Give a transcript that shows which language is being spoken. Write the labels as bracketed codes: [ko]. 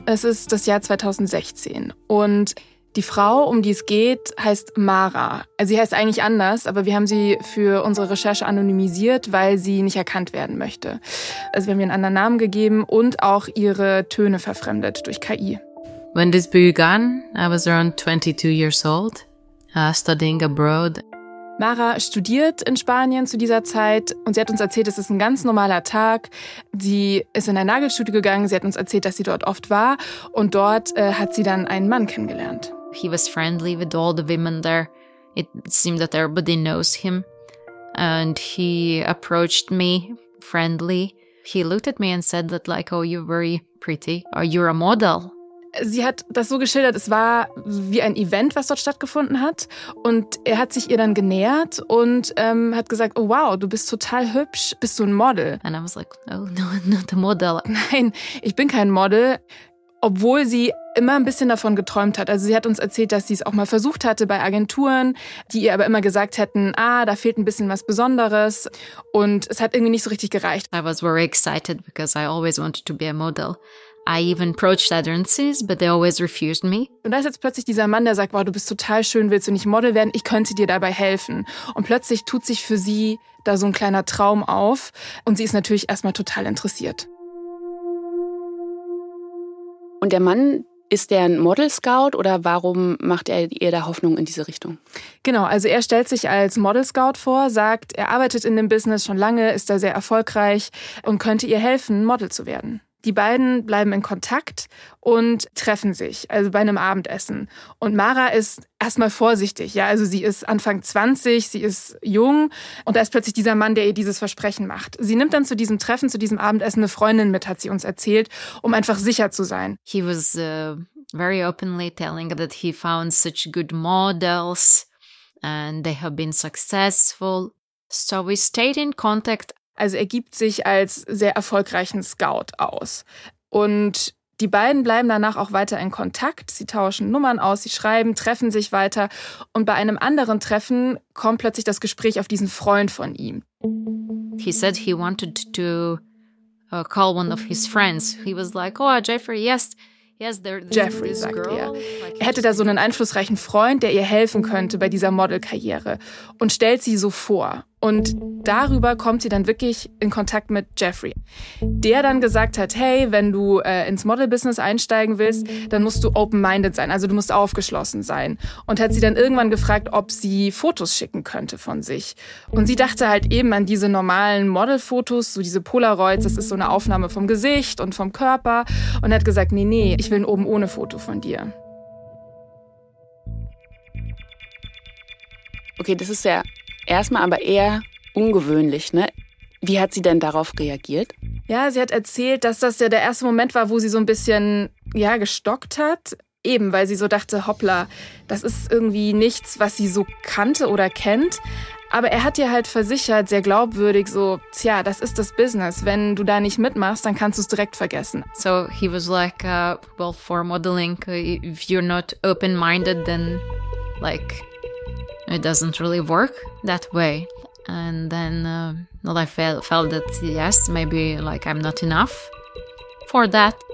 [de] Es ist das Jahr 2016. Und die Frau, um die es geht, heißt Mara. Sie heißt eigentlich anders, aber wir haben sie für unsere Recherche anonymisiert, weil sie nicht erkannt werden möchte. Also wir haben ihr einen anderen Namen gegeben und auch ihre Töne verfremdet durch KI. [en] When this began, I was around 22 years old, studying abroad. [de] Mara studiert in Spanien zu dieser Zeit und sie hat uns erzählt, es ist ein ganz normaler Tag. Sie ist in ein Nagelstudio gegangen, sie hat uns erzählt, dass sie dort oft war und dort hat sie dann einen Mann kennengelernt. [en] He was friendly with all the women there. It seemed that everybody knows him. And he approached me friendly. He looked at me and said that like, oh, you're very pretty. Or you're a model. [de] Sie hat das so geschildert, es war wie ein Event, was dort stattgefunden hat. Und er hat sich ihr dann genähert und hat gesagt, oh wow, du bist total hübsch, bist du ein Model? [en] And I was like, no, no, not a model. [de] Nein, ich bin kein Model. Obwohl sie immer ein bisschen davon geträumt hat. Also sie hat uns erzählt, dass sie es auch mal versucht hatte bei Agenturen, die ihr aber immer gesagt hätten, ah, da fehlt ein bisschen was Besonderes. Und es hat irgendwie nicht so richtig gereicht. [en] I was very excited because I always wanted to be a model. I even approached agencies, but they always refused me. [de] Und da ist jetzt plötzlich dieser Mann, der sagt, wow, du bist total schön, willst du nicht Model werden? Ich könnte dir dabei helfen. Und plötzlich tut sich für sie da so ein kleiner Traum auf. Und sie ist natürlich erstmal total interessiert. Und der Mann, ist der ein Model-Scout oder warum macht er ihr da Hoffnung in diese Richtung? Genau, also er stellt sich als Model-Scout vor, sagt, er arbeitet in dem Business schon lange, ist da sehr erfolgreich und könnte ihr helfen, Model zu werden. Die beiden bleiben in Kontakt und treffen sich, also bei einem Abendessen. Und Mara ist erstmal vorsichtig, ja, also sie ist Anfang 20, sie ist jung und da ist plötzlich dieser Mann, der ihr dieses Versprechen macht. Sie nimmt dann zu diesem Treffen, zu diesem Abendessen eine Freundin mit, hat sie uns erzählt, um einfach sicher zu sein. [en] He was very openly telling that he found such good models and they have been successful. So we stayed in contact. [de] Also er gibt sich als sehr erfolgreichen Scout aus. Und die beiden bleiben danach auch weiter in Kontakt. Sie tauschen Nummern aus, sie schreiben, treffen sich weiter. Und bei einem anderen Treffen kommt plötzlich das Gespräch auf diesen Freund von ihm. [en] He said he wanted to call one of his friends. He was like, oh, Jeffrey, yes. Yes, [de] Jeffrey, sagt er. Er hätte da so einen einflussreichen Freund, der ihr helfen könnte bei dieser Modelkarriere und stellt sie so vor. Und darüber kommt sie dann wirklich in Kontakt mit Jeffrey, der dann gesagt hat, hey, wenn du ins Model-Business einsteigen willst, dann musst du open-minded sein, also du musst aufgeschlossen sein. Und hat sie dann irgendwann gefragt, ob sie Fotos schicken könnte von sich. Und sie dachte halt eben an diese normalen Model-Fotos, so diese Polaroids, das ist so eine Aufnahme vom Gesicht und vom Körper. Und hat gesagt, nee, nee, ich will ein Oben-ohne-Foto von dir. Okay, das ist ja erstmal aber eher ungewöhnlich, ne? Wie hat sie denn darauf reagiert? Ja, sie hat erzählt, dass das ja der erste Moment war, wo sie so ein bisschen, ja, gestockt hat. Eben, weil sie so dachte, hoppla, das ist irgendwie nichts, was sie so kannte oder kennt. Aber er hat ihr halt versichert, sehr glaubwürdig, so, tja, das ist das Business. Wenn du da nicht mitmachst, dann kannst du es direkt vergessen. [en] So he was like, well, for modeling, if you're not open-minded, then like, it doesn't really work that way. And then I felt that yes, maybe like I'm not enough for that.